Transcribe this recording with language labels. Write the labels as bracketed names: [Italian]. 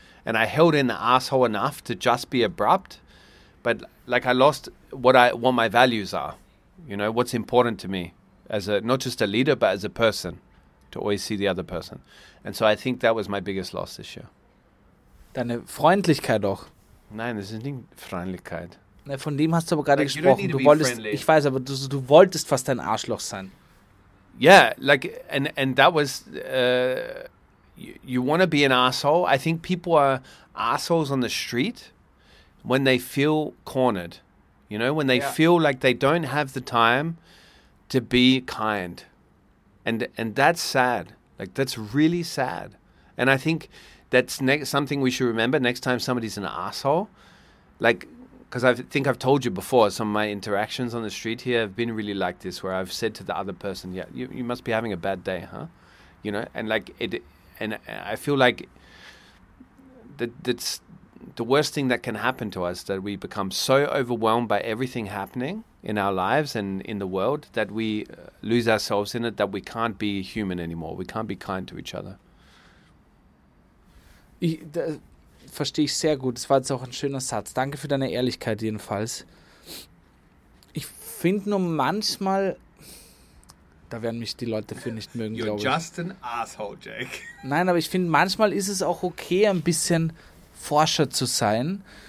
[English] And I held in the asshole enough to just be abrupt. But like I lost what my values are. You know, what's important to me as a, not just a leader, but as a person, to always see the other person. And so I think that was my biggest loss this year. [German] Deine Freundlichkeit auch. Nein, das ist nicht Freundlichkeit. Na, von dem hast du aber gerade gesprochen. Du wolltest, ich weiß, aber du wolltest fast ein Arschloch sein. [English] Yeah, like, and that was, you want to be an asshole. I think people are assholes on the street when they feel cornered. You know, when they feel like they don't have the time to be kind. And that's sad. Like, that's really sad. And I think that's something we should remember next time somebody's an asshole. Like, because I think I've told you before, some of my interactions on the street here have been really like this, where I've said to the other person, yeah, you must be having a bad day, huh? You know, and like, and I feel like that's the worst thing that can happen to us, that we become so overwhelmed by everything happening in our lives and in the world that we lose ourselves in it, that we can't be human anymore. We can't be kind to each other. [German] Verstehe ich sehr gut. Das war jetzt auch ein schöner Satz. Danke für deine Ehrlichkeit jedenfalls. Ich finde nur manchmal, da werden mich die Leute für nicht mögen, glaube ich. [English] You're just an asshole, Jake. [German] Nein, aber ich finde, manchmal ist es auch okay, ein bisschen Forscher zu sein.